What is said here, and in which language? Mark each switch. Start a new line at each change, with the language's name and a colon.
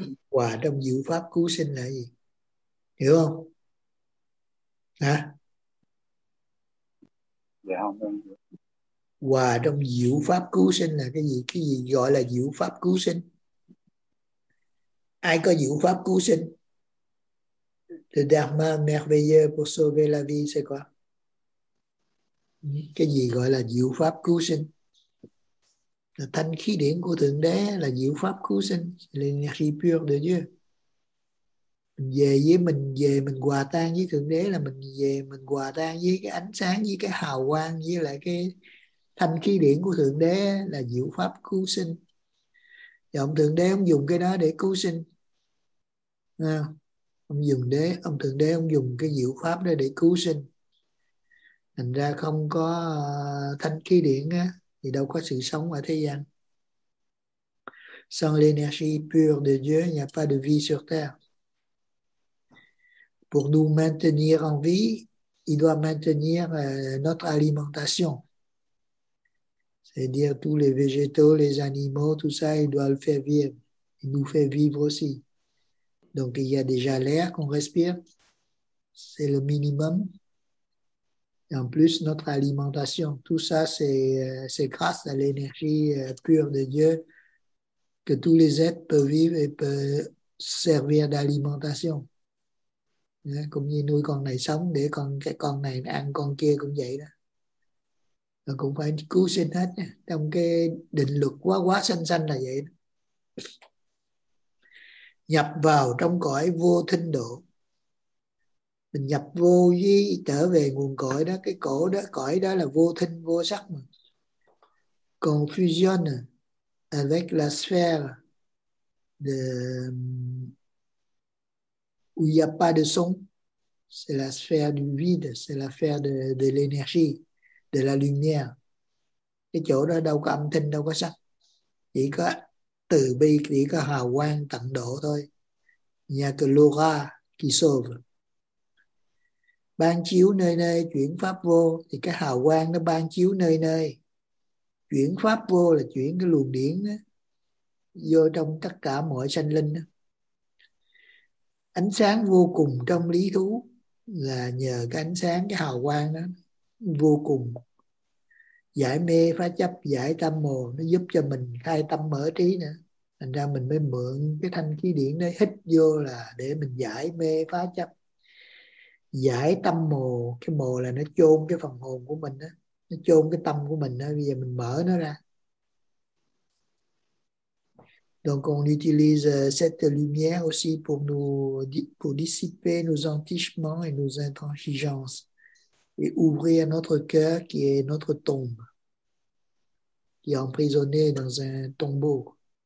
Vietnamese: Hòa trong diệu pháp cứu sinh là gì? Hiểu không? Hả? Dạ không. Hòa trong diệu pháp cứu sinh là cái gì? Cái gì gọi là diệu pháp cứu sinh? Ai có diệu pháp cứu sinh?
French: Le dharma merveilleux pour sauver la vie, c'est quoi?
Vietnamese: Cái gì gọi là diệu pháp cứu sinh? Là thanh khí điển của Thượng Đế, là diệu pháp cứu sinh,
French: l'énergie pure de Dieu.
Vietnamese: Mình về với mình, về mình hòa tan với Thượng Đế, là mình về mình hòa tan với cái ánh sáng, với cái hào quang, với lại cái thanh khí điển của Thượng Đế, là diệu pháp cứu sinh. Giọng Thượng Đế không dùng cái đó để cứu sinh. À. Ông dùng đế, ông Thượng Đế ông dùng cái diệu pháp đó để cứu sinh. Thành ra không có thanh khí điển á, thì đâu có sự sống ở thế gian.
French: Sans l'énergie pure de Dieu, il n'y a pas de vie sur terre. Pour nous maintenir en vie, il doit maintenir notre alimentation. C'est-à-dire tous les végétaux, les animaux, tout ça, il doit le faire vivre. Il nous fait vivre aussi. Donc il y a déjà l'air qu'on respire, c'est le minimum. Et en plus notre alimentation, tout ça c'est grâce à l'énergie pure de Dieu que tous les êtres peuvent vivre et peuvent servir d'alimentation. Comme
Vietnamese: như nuôi con này sống để con cái con này ăn con kia cũng vậy đó. Nó cũng phải cứu sinh hết nha. Trong cái định luật quá quá xanh xanh là vậy đó. Nhập vào trong cõi vô thinh độ. Mình nhập vô với trở về nguồn cõi đó. Cái cổ đó, cõi đó là vô thinh, vô sắc. Mà. Còn
French: fusion avec la sphère de... où il n'y a pas de son. C'est la sphère du vide. C'est la sphère de l'énergie, de la lumière.
Vietnamese: Cái chỗ đó đâu có âm thanh, đâu có sắc. Chỉ có... từ bi chỉ có hào quang tận độ thôi. Nhà cơ lora kỳ sôve. Ban chiếu nơi nơi chuyển pháp vô. Thì cái hào quang nó ban chiếu nơi nơi. Chuyển pháp vô là chuyển cái luồng điển đó, vô trong tất cả mọi sanh linh. Đó. Ánh sáng vô cùng trong lý thú. Là nhờ cái ánh sáng, cái hào quang đó vô cùng. Giải mê phá chấp, giải tâm mồ, nó giúp cho mình khai tâm mở trí nữa. Thành ra mình mới mượn cái thanh khí điển đó hít vô là để mình giải mê phá chấp, giải tâm mồ. Cái mồ là nó chôn cái phần hồn của mình đó, nó chôn cái tâm của mình đó. Bây giờ mình mở nó ra.
French: Donc on utilise cette lumière aussi pour nous, pour dissiper nos entichements et nos intransigences. Et ouvrir notre cœur qui est notre tombe, qui est emprisonné dans un tombeau.